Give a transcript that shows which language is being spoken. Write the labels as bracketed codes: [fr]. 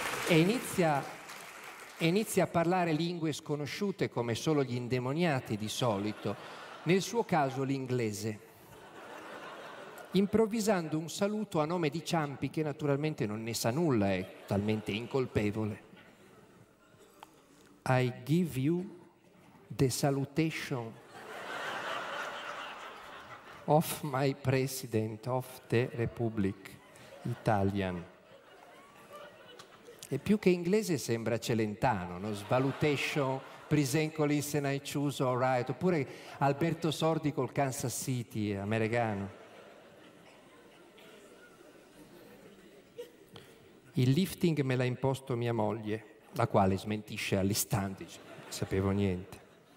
[it] E inizia a parlare lingue sconosciute come solo gli indemoniati di solito, nel suo caso l'inglese, improvvisando un saluto a nome di Ciampi, che naturalmente non ne sa nulla, è talmente incolpevole. [en] I give you the salutation of my president of the Republic Italian. [it] E più che inglese sembra celentano, no? [en] Svalutation, presencolis and I choose all right. [it] Oppure Alberto Sordi col Kansas City, americano. Il lifting me l'ha imposto mia moglie, la quale smentisce all'istante, non sapevo niente.